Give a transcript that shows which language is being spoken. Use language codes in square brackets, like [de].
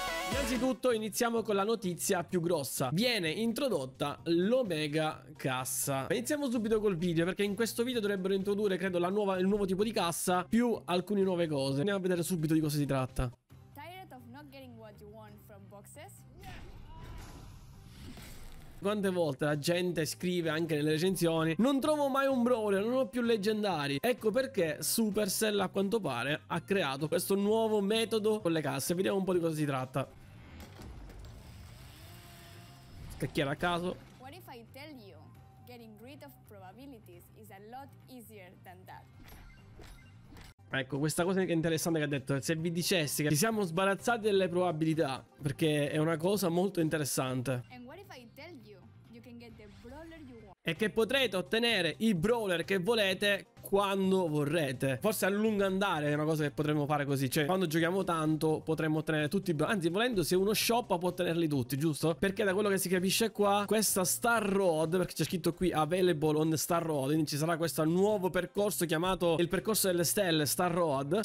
[it] Innanzitutto iniziamo con la notizia più grossa. Viene introdotta l'Omega Cassa. Iniziamo subito col video, perché in questo video dovrebbero introdurre, credo, il nuovo tipo di cassa più alcune nuove cose. Andiamo a vedere subito di cosa si tratta. [en] Tired of not getting what you want from boxes? [it] Quante volte la gente scrive anche nelle recensioni: non trovo mai un brawler, non ho più leggendari. Ecco perché Supercell, a quanto pare, ha creato questo nuovo metodo con le casse. Vediamo un po' di cosa si tratta. Scacchiera a caso. [en] What if I tell you getting rid of probabilities is a lot easier than that? [it] Ecco, questa cosa che è interessante che ha detto: se vi dicessi che ci siamo sbarazzati delle probabilità, perché è una cosa molto interessante. [en] And what if I tell you you can get the brawler you want? [it] E che potrete ottenere i brawler che volete quando vorrete. Forse a lungo andare è una cosa che potremmo fare così. Cioè, quando giochiamo tanto potremmo ottenere tutti i brawler. Anzi, volendo, se uno shoppa può ottenerli tutti, giusto? Perché da quello che si capisce qua, questa Star Road, perché c'è scritto qui [en] Available on Star Road, [it] quindi ci sarà questo nuovo percorso chiamato il percorso delle stelle, Star Road.